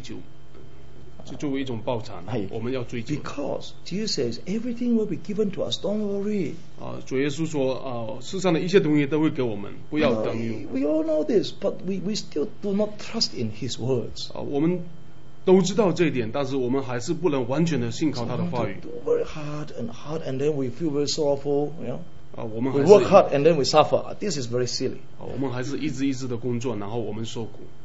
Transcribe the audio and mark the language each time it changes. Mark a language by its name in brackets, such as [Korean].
[Chinese] 不要把这个世界上的东西作为一种我们追求，就作为一种报偿，我们要追求。 [English] Because Jesus says everything will be given to us. Don't worry. [Chinese] 主耶稣说，世上的一切东西都会给我们，不要担忧。 [English] We all know this, but we still do not trust in His words. [Chinese] 我们都知道这一点，但是我们还是不能完全的信靠他的话语。 [English] So we do very hard and hard, and then we feel very sorrowful. You know. We work hard and then we suffer. This is very silly. [Chinese] 我们还是一直一直的工作，然后我们受苦。